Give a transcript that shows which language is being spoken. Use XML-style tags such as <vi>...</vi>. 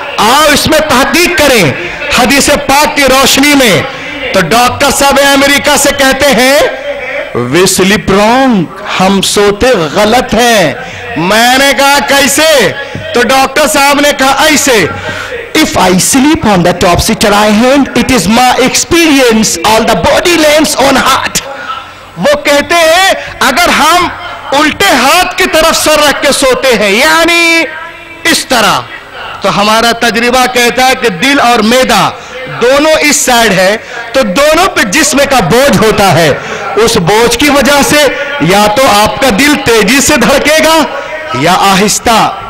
<ur>آؤ اس میں تحقیق کریں حدیث پاک کی روشنی میں۔ تو ڈاکٹر صاحب امریکہ سے کہتے ہیں</ur> <en>we sleep wrong,</en> <ur>ہم سوتے غلط ہیں۔ میں نے کہا کیسے؟ تو ڈاکٹر صاحب نے کہا ایسے،</ur> <en>If I sleep on the top seat of my hand, it is my experience all the body lands on heart.</en> <ur>وہ کہتے ہیں اگر ہم الٹے ہاتھ کی طرف سر رکھ کے سوتے ہیں، یعنی اس طرح، تو ہمارا تجربہ کہتا ہے کہ دل اور میدا دونوں اس سائڈ ہے، تو دونوں پہ جسم کا بوجھ ہوتا ہے، اس بوجھ کی وجہ سے یا تو آپ کا دل تیزی سے دھڑکے گا یا آہستہ</ur>